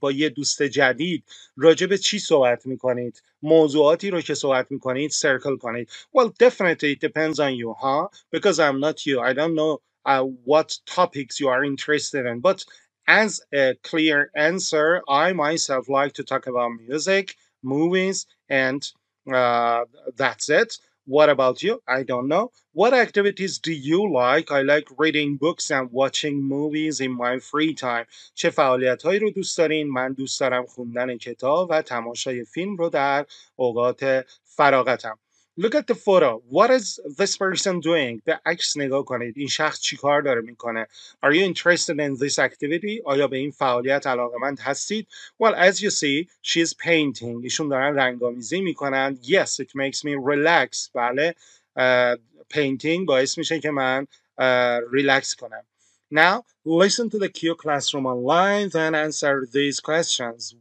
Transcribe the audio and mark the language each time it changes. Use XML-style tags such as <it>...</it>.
<fa>با یه دوست جدید راجع به چی صحبت میکنید؟ موضوعاتی رو که صحبت میکنید circle کنید.</fa> <en>Well, definitely it depends on you, huh? Because I'm not you. I don't know what topics you are interested in. But as a clear answer, I myself like to talk about music, movies, and that's it. What about you? I don't know. What activities do you like? I like reading books and watching movies in my free time.</en> <fa>چه فعالیت‌هایی رو دوست دارین؟ من دوست دارم خوندن کتاب و تماشای فیلم رو در اوقات فراغتم.</fa> <en>Look at the photo. What is this person doing?</en> <fa>به عکس نگاه کنید. این شخص چی کار داره میکنه؟</fa> <en>Are you interested in this activity?</en> <fa>آیا به این فعالیت علاقه‌مند هستید؟</fa> <en>Well, as you see, she is painting.</en> <fa>ایشون دارن رنگ‌آمیزی میکنن.</fa> <en>Yes, it makes me relax.</en> <fa>بله, painting باعث میشه که من ریلکس کنم.</fa> <en>Now, listen to the Q Classroom online, then answer these questions.</en>